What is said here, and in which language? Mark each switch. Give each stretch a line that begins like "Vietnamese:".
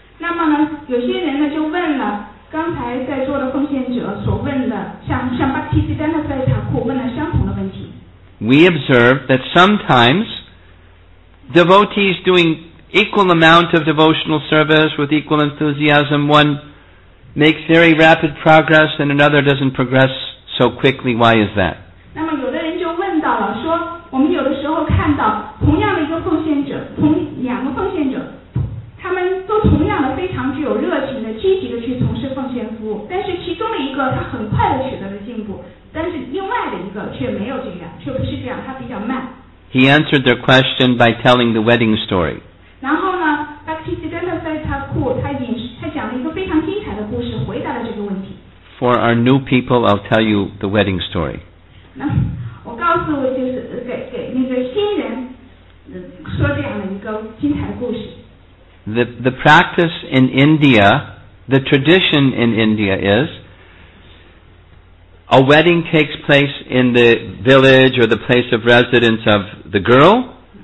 Chinese: 那么呢，有些人呢就问了刚才在座的奉献者所问的，像 Bhaktisiddhanta 在塔库问了相同的问题。
English: We observe that sometimes devotees doing equal amount of devotional service with equal enthusiasm, one makes very rapid progress and another doesn't progress so quickly. Why is that?
Chinese: 那么有的人就问到了，说我们有的时候看到同样的一个奉献者，同两个奉献者，他们都同样的非常具有热情的、积极的去从事奉献服务，但是其中的一个他很快的取得了进步，但是另外的一个却没有这样，却不是这样，他比较慢。
English: He answered their question by telling the wedding story.
Chinese: 然后呢 ，Bhaktisiddhanta Saraswati 他讲了一个非常精彩的故事，回答了这个问题。
English: For our new people, I'll tell you the wedding story.
Chinese: 那我告诉我就是给那个新人说这样的一个精彩的故事。
English: The practice in India, the tradition in India is a wedding takes place in the village or the place of residence of the girl.